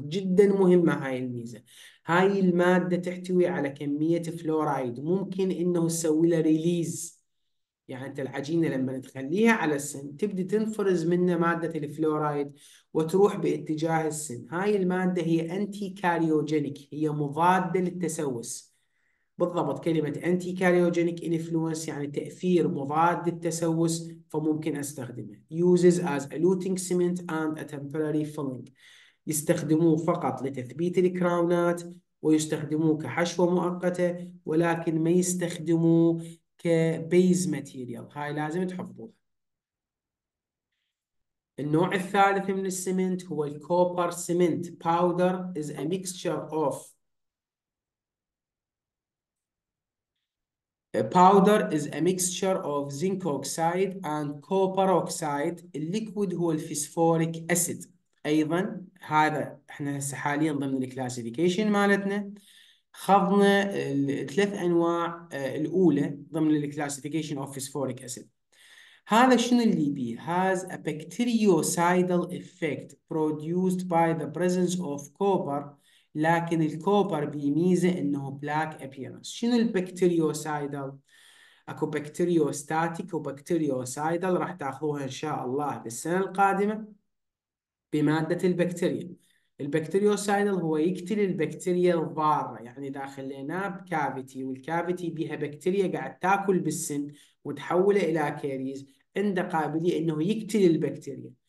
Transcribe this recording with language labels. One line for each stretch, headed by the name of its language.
Arabic: جدا مهمة هاي الميزة. هاي المادة تحتوي على كمية فلورايد ممكن انه تسوي لها ريليز. يعني انت العجينه لما تخليها على السن تبدي تنفرز منها ماده الفلورايد وتروح باتجاه السن، هاي الماده هي انتي كاريوجينيك، هي مضاده للتسوس. بالضبط كلمه انتي كاريوجينيك انفلونس يعني تاثير مضاد للتسوس، فممكن استخدمه.
English: uses as a eluting cement and a temporary filling.
Arabic: يستخدموه فقط لتثبيت الكراونات ويستخدموه كحشوه مؤقته، ولكن ما يستخدموه كبيز ماتيريال، هاي لازم تحفظوها. النوع الثالث من السمنت هو الكوبر سمنت.
English: Powder is a mixture of Powder is a mixture of zinc oxide and copper oxide.
Arabic: Liquid هو الفسفوريك أسيد. أيضا هذا إحنا هسه حاليا ضمن الكلاسيفيكيشن مالتنا خضنا الثلاث أنواع الأولى ضمن الكلاسيفيكيشن of phosphoric acid. هذا شنو اللي بيه؟
English: has a bactericidal effect produced by the presence of copper.
Arabic: لكن الكوبر بيميزه انه بلاك ابيرنس. شنو البكتيريوسايدال؟ اكو بكتيريوستاتيك وبكتيريوسايدال، راح تاخذوها ان شاء الله بالسنه القادمه بماده البكتيريا. البكتيريوسايدال هو يقتل البكتيريا الضاره، يعني اذا خليناه بكافيتي والكافيتي بيها بكتيريا قاعد تاكل بالسن وتحوله الى كاريز، عنده قابليه انه يقتل البكتيريا.